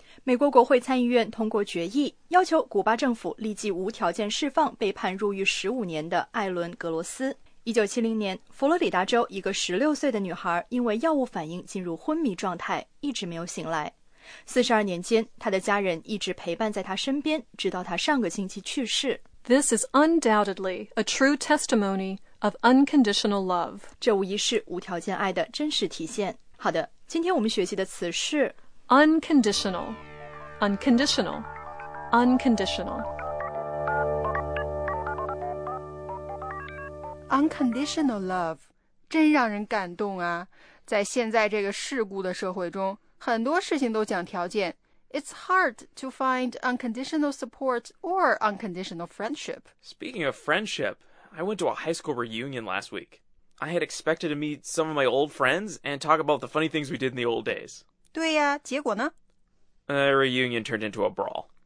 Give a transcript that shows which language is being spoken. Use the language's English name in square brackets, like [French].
[Chinese] 美国国会参议院通过决议，要求古巴政府立即无条件释放被判入狱15年的艾伦·格罗斯。 1970年，佛罗里达州一个16岁的女孩因为药物反应进入昏迷状态，一直没有醒来。 42年间，她的家人一直陪伴在她身边，直到她上个星期去世。 [English] This is undoubtedly a true testimony of unconditional love. [Chinese] 这无疑是无条件爱的真实体现。好的，今天我们学习的词是 [English] unconditional, unconditional, unconditional. Unconditional love, [Chinese] 真让人感动啊！在现在这个世故的社会中，很多事情都讲条件。 [English] It's hard to find unconditional support or unconditional friendship. Speaking of friendship, I went to a high school reunion last week. I had expected to meet some of my old friends and talk about the funny things we did in the old days. [Chinese] 对呀，结果呢？ [English] A reunion turned into a brawl.